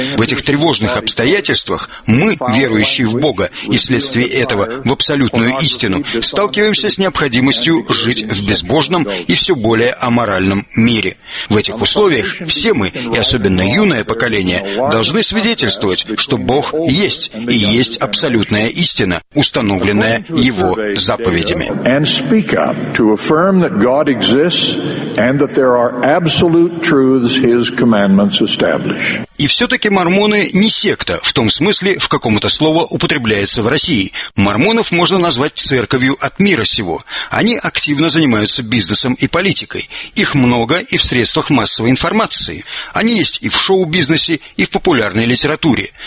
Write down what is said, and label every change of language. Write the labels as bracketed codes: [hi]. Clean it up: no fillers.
[ru] В этих тревожных обстоятельствах мы, верующие в Бога и вследствие этого в абсолютную истину, сталкиваемся с необходимостью жить в безбожном и все более аморальном мире. В этих условиях все мы, и особенно юное поколение, должны свидетельствовать, что Бог есть и есть абсолютная истина, установленная Его заповедями. [en] And speak up to affirm that God exists and that there are absolute truths His commandments establish. [ru] И все-таки мормоны не секта, в том смысле, в каком это слово употребляется в России. Мормонов можно назвать церковью от мира сего. Они активно занимаются бизнесом и политикой. Их много и в средствах массовой информации. Они есть и в шоу-бизнесе, и в популярной литературе.